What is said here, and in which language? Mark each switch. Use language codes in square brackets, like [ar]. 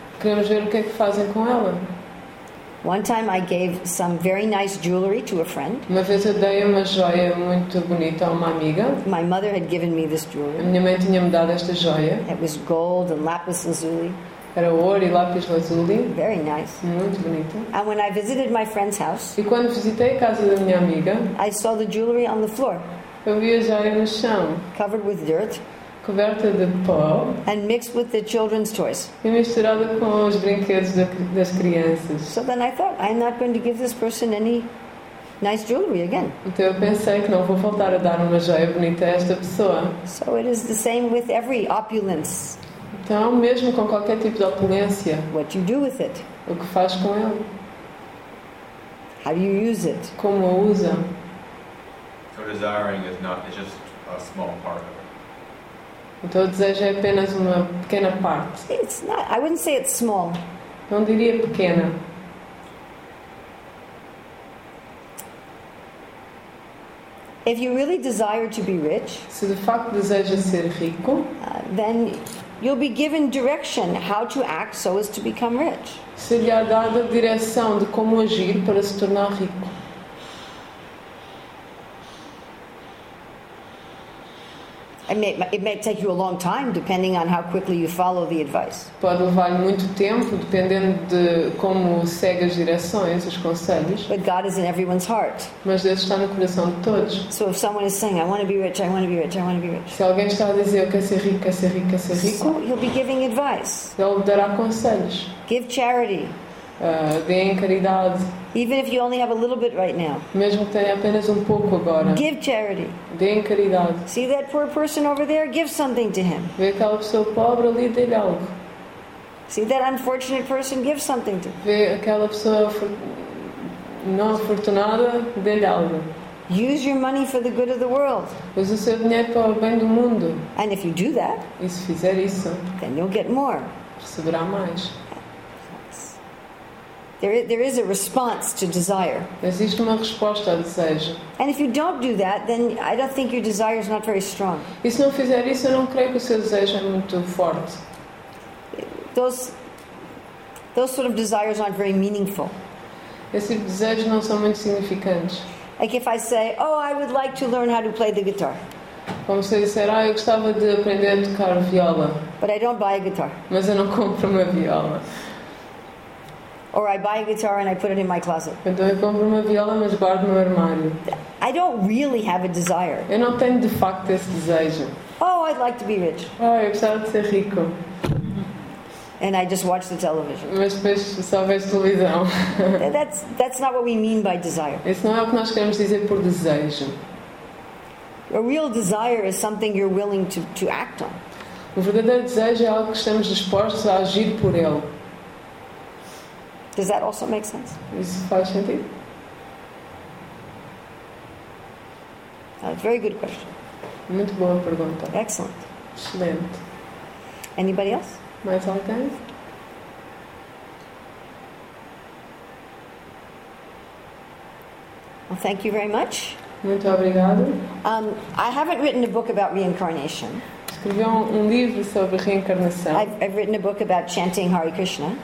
[pt] Queremos ver o que é que fazem com ela. [en] One time I gave some very nice jewelry to a friend. [pt] Uma vez eu dei uma joia muito bonita a uma amiga. [en] My mother had given me this jewelry. [pt] A minha mãe tinha-me dado esta joia. [en] It was gold and lapis lazuli. [pt] Era ouro e lápis lazuli. [en] Very nice. [pt] Muito bonito. [en] And when I visited my friend's house, [pt] e quando visitei a casa da minha amiga, [en] I saw the jewelry on the floor. [pt] Eu vi a joia no chão. [en] Covered with dirt. [pt] Coberta de pó. [en] And mixed with the children's toys. [pt] E misturada com os brinquedos das crianças. [en] So then I thought, I'm not going to give this person any nice jewelry again. [pt] Então eu pensei que não vou voltar a dar uma joia bonita a esta pessoa. [en] So it is the same with every opulence. [pt] Então, mesmo com qualquer tipo de opulência, [en] what you do with it? [pt] O que faz com ele? [en] How do you use it? [pt] Como o usa? [en] So desiring is not, it's just a small part of it. [pt] Então, o desejo é apenas uma pequena parte. [en] It's not, I wouldn't say it's small. [pt] Não diria pequena. [en] If you really desire to be rich, [pt] se de facto deseja ser rico, [en] then you'll be given direction how to act so as to become rich. [pt] Seria dada a direção de como agir para se tornar rico. [en] It may take you a long time, depending on how quickly you follow the advice. [pt] Pode levar muito tempo, dependendo de como segue as direções, os conselhos. [en] But God is in everyone's heart. [pt] Mas Deus está no coração de todos. [en] So if someone is saying, I want to be rich, I want to be rich, I want to be rich. [pt] Se alguém está a dizer, eu quero ser rico, quero ser rico, quero ser rico. [en] So you'll be giving advice. [pt] Ele dará conselhos. [en] Give charity. [pt] Deem caridade. [en] Even if you only have a little bit right now. [pt] Mesmo que tenha apenas pouco agora. [en] Give charity. [pt] Deem caridade. [en] See that poor person over there? Give something to him. [pt] Vê aquela pessoa pobre ali, dê-lhe algo. [en] See that unfortunate person? Give something to him. [pt] Vê aquela pessoa não afortunada, dê-lhe algo. [en] Use your money for the good of the world. [pt] Use o seu dinheiro para o bem do mundo. [en] And if you do that, [pt] e se fizer isso, [en] then you'll get more. [pt] Receberá mais. [en] There is a response to desire. [pt] Existe uma resposta ao desejo. [en] And if you don't do that, then I don't think your desire is not very strong. [pt] E se não fizer isso, eu não creio que o seu desejo é muito forte. [en] Those sort of desires aren't very meaningful. [pt] Esses tipos de desejos não são muito significantes. [en] Like if I say, oh, I would like to learn how to play the guitar. [pt] Como se eu disser, ah, eu gostava de aprender a tocar viola. [en] But I don't buy a guitar. [pt] Mas eu não compro uma viola. [en] Or I buy a guitar and I put it in my closet. [pt] Então eu compro uma viola, mas guardo no armário. [en] I don't really have a desire. [pt] Eu não tenho de facto esse desejo. [en] Oh, I'd like to be rich. [pt] Ah, eu gostava de ser rico. [en] And I just watch the television. [pt] Mas depois só vejo televisão. [en] That's not what we mean by desire. [pt] Isso não é o que nós queremos dizer por desejo. [en] A real desire is something you're willing to act on. [pt] O verdadeiro desejo é algo que estamos dispostos a agir por ele. [en] Does that also make sense? [pt] Isso faz sentido? [en] Very good question. [pt] Muito boa pergunta. [en] Excellent. [pt] Excelente. [en] Anybody else? [pt] Mais alguém? [en] Well, thank you very much. [pt] Muito obrigado. [en] I haven't written a book about reincarnation. [pt] Escrevi um livro sobre reencarnação. [en] I've written a book about chanting Hare Krishna.